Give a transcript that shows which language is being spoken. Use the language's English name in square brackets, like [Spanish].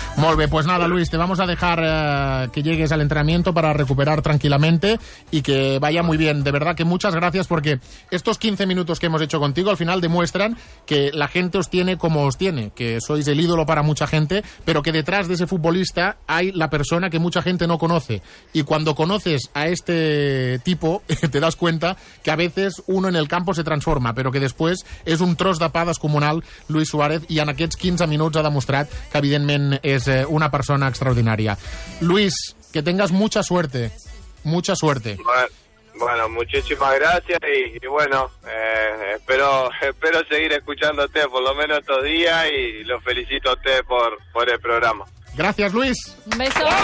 [Catalan] Molt bé, [Spanish] pues nada, Luis, te vamos a dejar que llegues al entrenamiento para recuperar tranquilamente y que vaya muy bien. De verdad que muchas gracias porque estos 15 minutos que hemos hecho contigo al final demuestran que la gente os tiene como os tiene, que sois el ídolo para mucha gente, pero que detrás de ese futbolista hay la persona que mucha gente no conoce. Y cuando conoces a este tipo, te das cuenta que a veces uno en el campo se transforma, [Catalan] però que després és un tros de pa descomunal Luis Suárez i en aquests 15 minuts ha demostrat que evidentment és una persona extraordinària. [Spanish] Luis, que tengas mucha suerte. Mucha suerte. Bueno, muchísimas gracias y bueno, espero seguir escuchándote por lo menos estos días y lo felicito a usted por el programa. Gracias, Luis. Un beso.